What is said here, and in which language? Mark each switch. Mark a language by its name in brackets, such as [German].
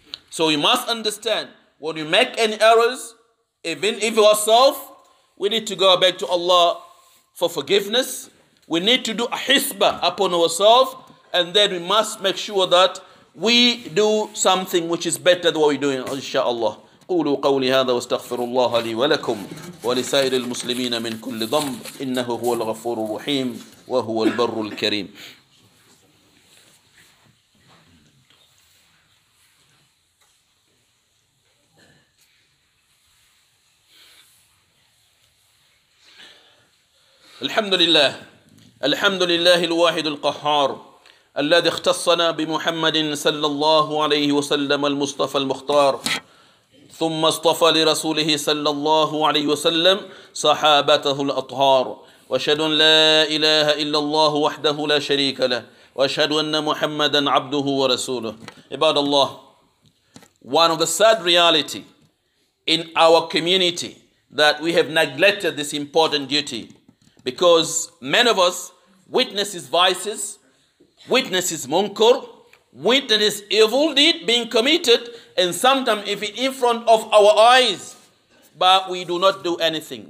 [English] So you must understand, when you make any errors, even if yourself, we need to go back to Allah for forgiveness. We need to do a hisbah upon ourselves. And then we must make sure that we do something which is better than what we're doing, inshaAllah. [Arabic] قولوا قولي هذا واستغفروا الله لي ولكم ولسائر المسلمين من كل ذنب إنه هو الغفور الرحيم وهو البر الكريم. الحمد لله. الحمد لله الواحد القهار الذي اختصنا بمحمد صلى الله عليه وسلم المصطفى المختار ثم اصطفى لرسوله صلى الله عليه وسلم صحابته الأطهار واشهد أن لا إله إلا الله وحده لا شريك له واشهد أن محمدا عبده ورسوله. عباد الله, [English] one of the sad reality in our community that we have neglected this important duty, because many of us witnesses vices witnesses munkar, witnesses evil deed being committed, and sometimes if it in front of our eyes, but we do not do anything.